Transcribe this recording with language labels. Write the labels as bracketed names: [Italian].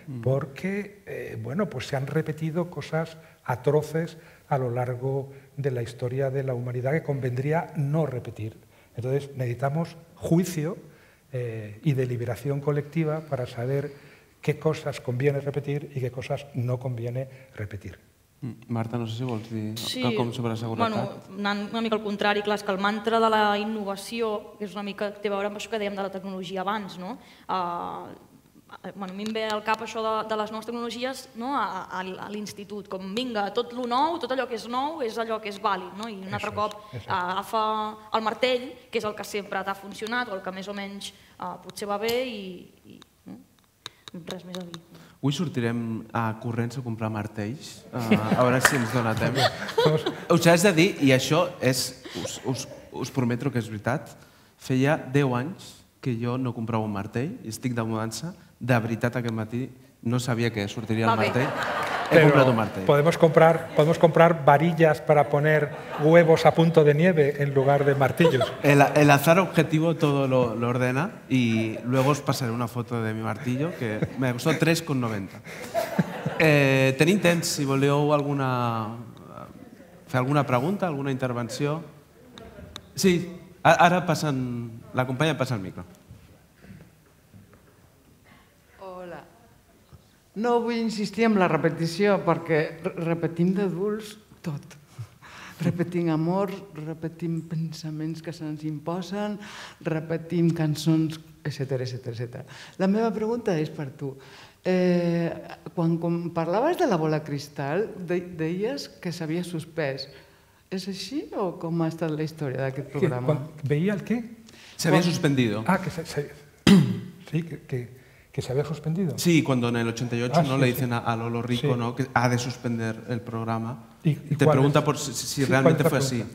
[Spanish] Porque bueno, pues se han repetido cosas atroces a lo largo de la historia de la humanidad que convendría no repetir. Entonces, necesitamos juicio y deliberación colectiva para saber qué cosas conviene repetir y qué cosas no conviene repetir. [Catalan] Marta, no sé si vols dir quelcom sobre la seguretat. Bueno, anant una mica al contrari, clar, és que el mantra de la innovació és una mica té a veure amb això que dèiem de la tecnologia abans, no? Bueno, a mi em ve al cap això de les noves tecnologies, no? A l'institut, com vinga, tot lo nou, tot allò que és nou és allò que és vàlid, no? I un altre cop agafa el martell, que és el que sempre t'ha funcionat, o el que més o menys potser va bé i no? Res més a dir. Avui sortirem corrents a comprar martells, a veure si ens dona temps. Us has de dir, i això és, us prometo que és veritat, feia 10 anys que jo no comprava un martell, estic de mudança, de veritat aquest matí no sabia que sortiria el martell. He comprat un martell. [Spanish] Podemos comprar varillas para poner huevos a punto de nieve en lugar de martillos. El azar objetivo todo lo ordena y luego os pasaré una foto de mi martillo que me costó 3,90. [Catalan] Tenim temps, si voleu fer alguna pregunta, alguna intervenció. Sí, ara passen, la companya passa el micro. No vull insistir en la repetició, perquè repetim d'adults tot. Repetim amor, repetim pensaments que se'ns imposen, repetim cançons, etcètera, etcètera, etcètera. La meva pregunta és per tu. Quan parlaves de la bola cristal, deies que s'havia suspès. [Spanish] ¿Es así o cómo ha estado la historia de aquel programa? ¿Veía el qué? Se había suspendido. Ah, que se... Sí, que se había suspendido. Sí, cuando en el 88 ¿no? Le dicen a Lolo Rico ¿no? que ha de suspender el programa. ¿Y te pregunta por si realmente fue así.